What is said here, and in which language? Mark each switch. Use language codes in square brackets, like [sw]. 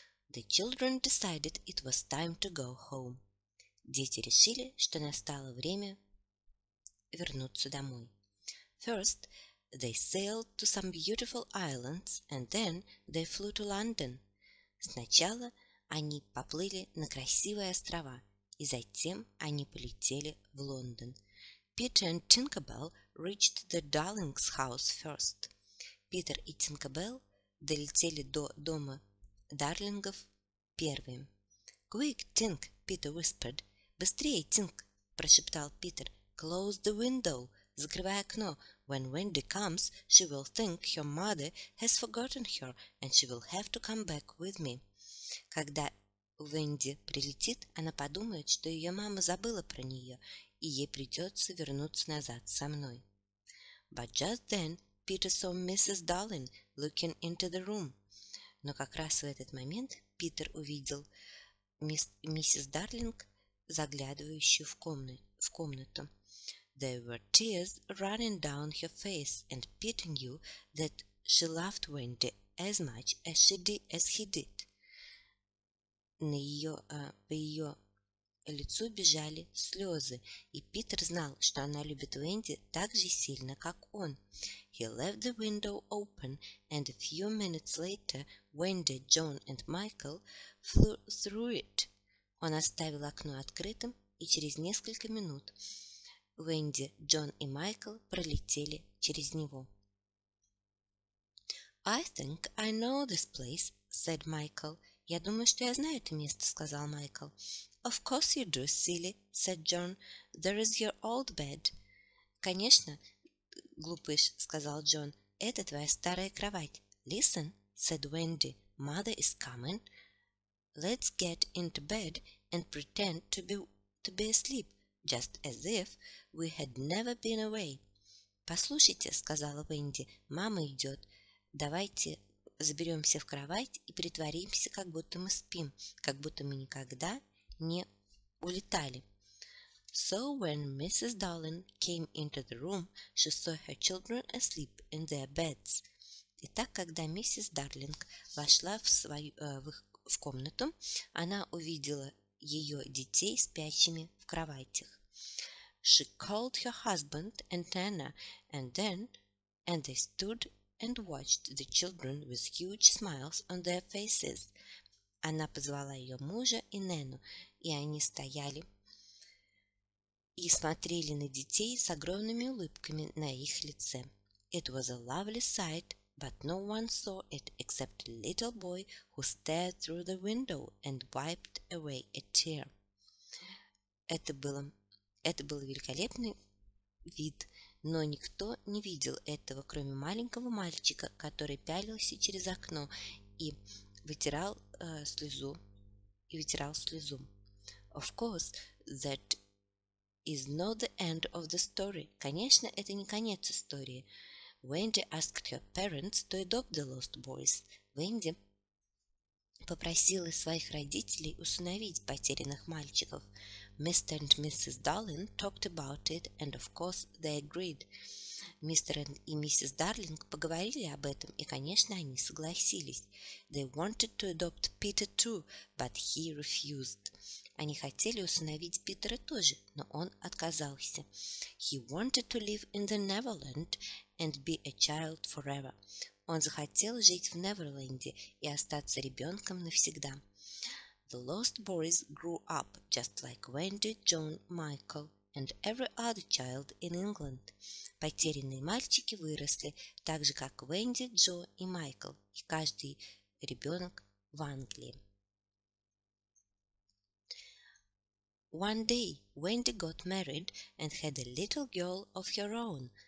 [en] The children decided it was time to go home. [ru] Дети решили, что настало время вернуться домой. [en] First, they sailed to some beautiful islands, and then they flew to London. [ru] Сначала они поплыли на красивые острова, и затем они полетели в Лондон. [en] Peter and Tinkerbell reached the Darling's house first. [ru] Питер и Тинкербелл долетели до дома Дарлингов первыми. [en] Quick, Tink, Peter whispered. [ru] Быстрее, Тинк, прошептал Питер. [en] Close the window. [ru] Закрывай окно. [en] When Wendy comes, she will think her mother has forgotten her, and she will have to come back with me. [ru] Когда Венди прилетит, она подумает, что ее мама забыла про нее, и ей придется вернуться назад со мной. [en] But just then Peter saw Mrs. Darling looking into the room. [ru] Но как раз в этот момент Питер увидел миссис Дарлинг, заглядывающую в комнату. [en] There were tears running down her face, and Peter knew that she loved Wendy as much as she did as he did. [ru] По ее лицу бежали слезы, и Питер знал, что она любит Венди так же сильно, как он. [en] He left the window open, and a few minutes later Wendy, John and Michael flew through it. [ru] Он оставил окно открытым, и через несколько минут Венди, Джон и Майкл пролетели через него. [en] I think I know this place, said Michael. [ru] Я думаю, что я знаю это место, сказал Майкл. [en] Of course you do, silly, said John. There is your old bed. [ru] Конечно, глупыш, сказал Джон. Это твоя старая кровать. [en] Listen, said Wendy. Mother is coming. Let's get into bed and pretend to be asleep, just as if we had never been away. [ru] Послушайте, сказала Венди, мама идет. Давайте заберемся в кровать и притворимся, как будто мы спим, как будто мы никогда не улетали. [en] So when Mrs. Darling came into the room, she saw her children asleep in their beds. [ru] Итак, когда миссис Дарлинг вошла в комнату, она увидела ее детей спящими в кроватях. [en] She called her husband and Anna, and they stood and watched the children with huge smiles on their faces. [ru] Она позвала ее мужа и Нэну, и они стояли и смотрели на детей с огромными улыбками на их лице. [en] It was a lovely sight, but no one saw it except a little boy who stared through the window and wiped away a tear. [ru] Это был великолепный вид, но никто не видел этого, кроме маленького мальчика, который пялился через окно и вытирал слезу. [en] Of course, that is not the end of the story. [ru] Конечно, это не конец истории. [en] Wendy asked her parents to adopt the lost boys. [ru] Wendy попросила своих родителей усыновить потерянных мальчиков. [en] Mr. and Mrs. Darling talked about it, and of course they agreed. [ru] Мистер и миссис Дарлинг поговорили об этом, и, конечно, они согласились. [en] They wanted to adopt Peter too, but he refused. [ru] Они хотели усыновить Питера тоже, но он отказался. [en] He wanted to live in the Neverland and be a child forever. [ru] Он захотел жить в Неверленде и остаться ребенком навсегда. [en] The lost boys grew up just like Wendy, John, Michael, and every other child in England. [ru] Потерянные мальчики выросли так же, как Венди, Джо и Майкл, и каждый ребенок в Англии. [en] One day Wendy got married and had a little girl of her own.